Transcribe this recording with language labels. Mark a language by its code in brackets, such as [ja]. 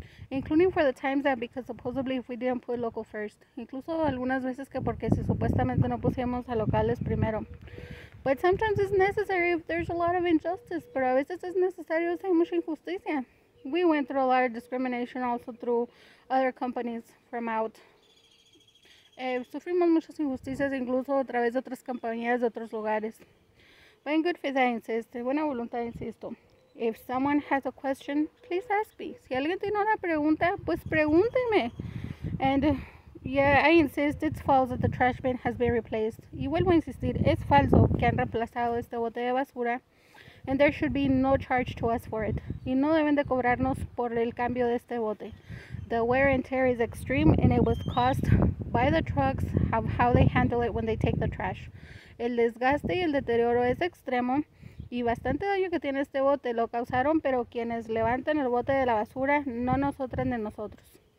[en] Including for the times that because supposedly if we didn't put local first. [es] Incluso algunas veces que porque si supuestamente no pusimos a locales primero. [en] But sometimes it's necessary if there's a lot of injustice. [es] Pero a veces es necesario si hay mucha injusticia. [en] We went through a lot of discrimination also through other companies from out. [es] Sufrimos muchas injusticias incluso a través de otras compañías de otros lugares. [en] But in good faith, I insist. [es] De buena voluntad, insisto. [en] If someone has a question, please ask me. [es] Si alguien tiene una pregunta, pues pregúntenme. [en] And yeah, I insist it's false that the trash bin has been replaced. [es] Y vuelvo a insistir, es falso que han reemplazado este bote de basura. [en] And there should be no charge to us for it. [es] Y no deben de cobrarnos por el cambio de este bote. [en] The wear and tear is extreme and it was caused by the trucks of how they handle it when they take the trash. [es] El desgaste y el deterioro es extremo. Y bastante daño que tiene este bote lo causaron, pero quienes levantan el bote de la basura, no nosotras ni nosotros.